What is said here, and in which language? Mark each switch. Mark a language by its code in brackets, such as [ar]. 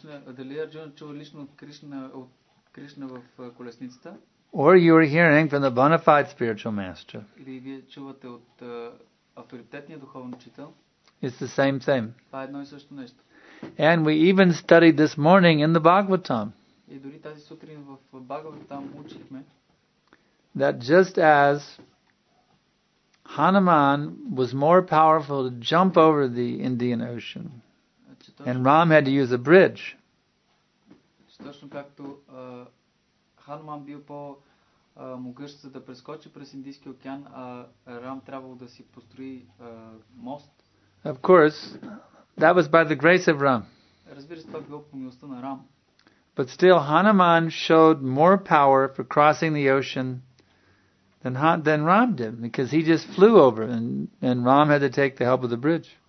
[bg] Дали Арджуна чува лично от Кришна в колесницата? [en] Or you are hearing from the bona fide spiritual master. [bg] Или вие чувате от авторитетния духовен учител? [en] It's the same thing. [bg] Това е едно и също нещо. [en] And we even studied this morning in the Bhagavatam. [bg] И дори тази сутрин в Бхагаватам учихме. [en] That just as Hanuman was more powerful to jump over the Indian Ocean. And Ram had to use a bridge. [bg] Точно както Хануман бил по-могъщ да прескочи през Индийския океан, а Рам трябвало да си построи мост. [en] Of course, that was by the grace of Ram. [bg] Разбира се, това било по милостта на Рам. [en] But still, Hanuman showed more power for crossing the ocean than Ram did, because he just flew over and Ram had to take the help of the bridge.